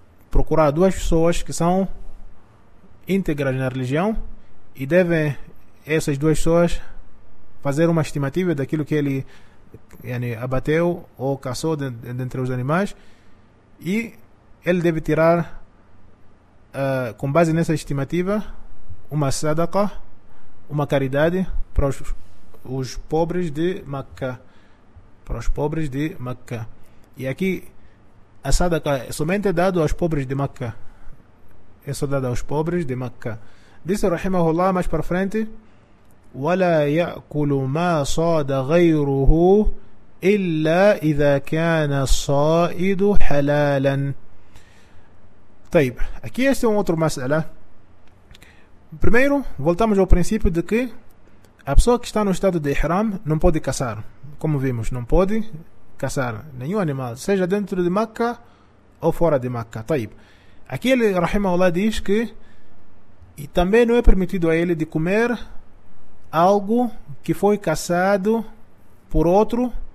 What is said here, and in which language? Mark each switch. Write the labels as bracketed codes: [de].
[pt] procurar duas pessoas que são íntegras na religião e devem essas duas pessoas fazer uma estimativa daquilo que ele, yani, abateu ou caçou dentre os animais, e ele deve tirar com base nessa estimativa uma sadaqa, uma caridade para os pobres de Mecca, para os pobres de Mecca. E aqui a sadaqa é somente dada aos pobres de Mecca, é só dada aos pobres de Mecca. Disse rahimahullah mais para frente, [ar] وَلَا يَأْكُلُ مَا صَادَ غَيْرُهُ إِلَّا إِذَا كَانَ صَائِدُ حَلَالًا. طيب, [pt] aqui este é um outro masala. Primeiro, voltamos ao princípio de que a pessoa que está no estado de ihram não pode caçar. Como vimos, não pode caçar nenhum animal, seja dentro de Mecca ou fora de Mecca. [ar] طيب, [pt] aqui ele, rahimahullah, diz que e também não é permitido a ele de comer algo que foi caçado por outro.